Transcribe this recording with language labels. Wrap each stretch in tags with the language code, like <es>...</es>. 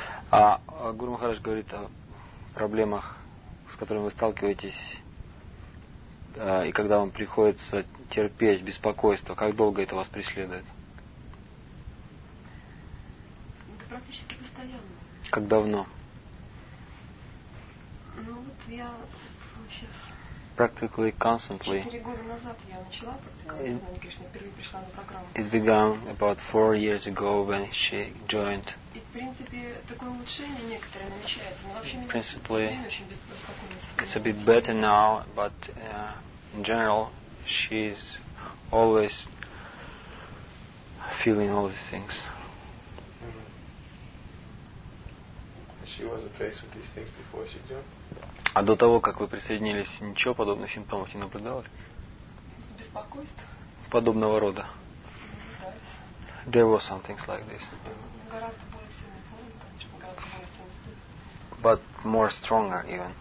<ru>Гуру Махарадж говорит о проблемах, с которым вы сталкиваетесь, и когда вам приходится терпеть беспокойство, как долго это вас преследует? Это практически постоянно. Как давно? Ну вот я сейчас...</ru> <en>Practically constantly.</en> <ru>4 года назад я начала практиковать, когда я впервые пришла на программу.</ru> <en>It began about 4 years ago when she joined.</en> <ru>И в принципе такое улучшение некоторое намечается, но вообще меня очень беспокоит.</ru> <en>It's a bit better now, but in general she's always feeling all these things. Mm-hmm. She was faced with these things before she joined.</en> <ru>А до того, как вы присоединились, ничего подобных симптомов не наблюдалось? Беспокойство. Подобного рода. Да.</ru> <en>There was some things like this.</en> <ru>Гораздо более сильный фон, чем гораздо более сильный.</ru> <en>But more stronger even.</en>